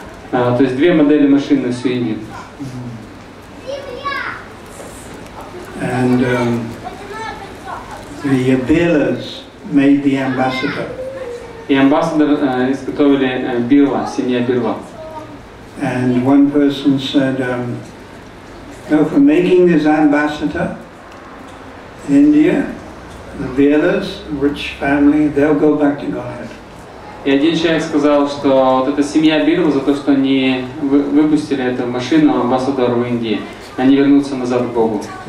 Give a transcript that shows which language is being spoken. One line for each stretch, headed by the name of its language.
Russian: То есть две модели машин на всю Индию.
English: And the Billas made the ambassador.
Russian: И амбассадор изготовили Билла, семья Билла.
English: And one person said, for making this ambassador in India, the Billas, rich family, they'll go back to Godhead.
Russian: И один человек сказал, что вот эта семья Билл за то, что они выпустили эту машину амбассадору в Индии, они вернутся назад к Богу.